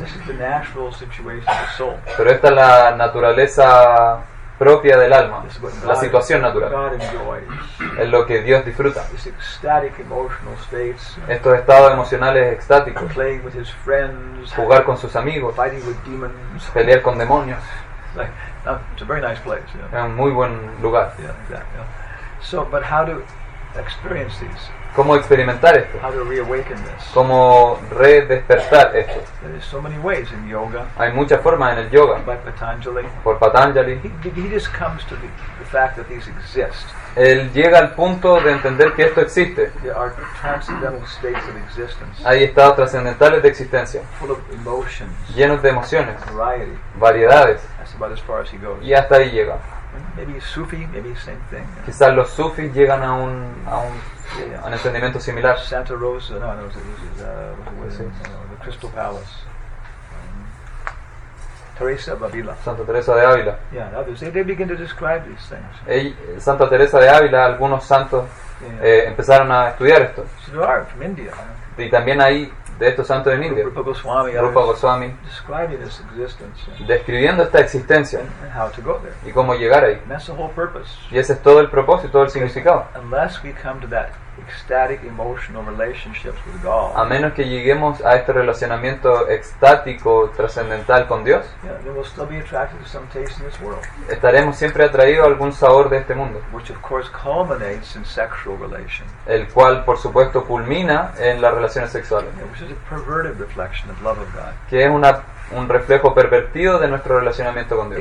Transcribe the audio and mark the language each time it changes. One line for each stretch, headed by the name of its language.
English: This is the natural situation of the soul.
Spanish: Pero esta es la naturaleza propia del alma, la situación natural.
English: God enjoys.
Spanish: Es lo que Dios disfruta.
English: These ecstatic emotional states,
Spanish: estos estados emocionales extáticos,
English: playing with his friends,
Spanish: jugar con sus amigos,
English: fighting with demons,
Spanish: pelear con demonios.
English: It's a very nice place, yeah.
Spanish: Es un muy buen lugar.
English: Yeah, exactly, yeah. So, but how do experience these.
Spanish: ¿Cómo experimentar esto?
English: How to reawaken this.
Spanish: ¿Cómo redespertar esto?
English: There are so many ways in yoga.
Spanish: Hay muchas formas en el yoga.
English: By Patanjali.
Spanish: Por Patanjali.
English: He just comes to the fact that these exist.
Spanish: Él llega al punto de entender que esto existe.
English: There are transcendental states of existence.
Spanish: Hay estados trascendentales de existencia.
English: Full of emotions.
Spanish: Llenos de emociones.
English: Variety.
Spanish: Variedades.
English: That's about as far as he goes.
Spanish: Y hasta ahí llega.
English: Maybe Sufi, maybe same thing. Yeah.
Spanish: Quizás los sufis llegan a un entendimiento similar.
English: Santa Rosa, no, the Crystal Palace. Teresa of Avila.
Spanish: Santa Teresa de Ávila.
English: Yeah, others. They begin to describe these things.
Spanish: Santa Teresa de Ávila, algunos santos empezaron a estudiar esto.
English: So there are from India.
Spanish: Y también hay de estos santos en India.
English: Rupa Goswami.
Spanish: Rupa Goswami.
English: Describing this existence.
Spanish: Describiendo esta existencia.
English: And how to go there.
Spanish: Y cómo llegar ahí.
English: And that's the whole purpose.
Spanish: Y ese es todo el propósito, todo el significado.
English: Unless we come to that ecstatic emotional relationships with God.
Spanish: A menos que lleguemos a este relacionamiento extático, trascendental con Dios.
English: Yeah, we'll still be attracted to some taste in this world.
Spanish: Estaremos siempre atraídos a algún sabor de este mundo.
English: Which of course culminates in sexual relation.
Spanish: El cual, por supuesto, culmina en las relaciones sexuales.
English: Yeah, which is a perverted reflection of love of God.
Spanish: Que es un reflejo pervertido de nuestro relacionamiento con Dios.